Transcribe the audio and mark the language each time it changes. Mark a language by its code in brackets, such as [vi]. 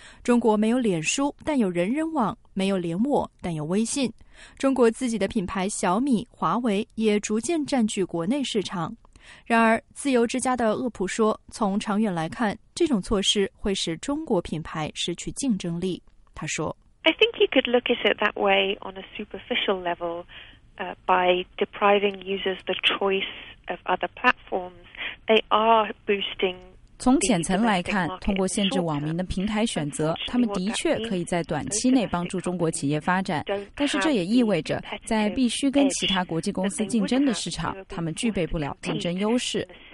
[zh] 中国没有脸书，但有人人网；没有脸我，但有微信。中国自己的品牌小米、华为也逐渐占据国内市场。然而，自由之家的厄普说，从长远来看，这种措施会使中国品牌失去竞争力。他说 [en] ：“I think you could look at it that way on a superficial level, by depriving users the choice of other platforms. They are boosting.” [zh] 从浅层来看，通过限制网民的平台选择，他们的确可以在短期内帮助中国企业发展，但是这也意味着在必须跟其他国际公司竞争的市场，他们具备不了竞争优势。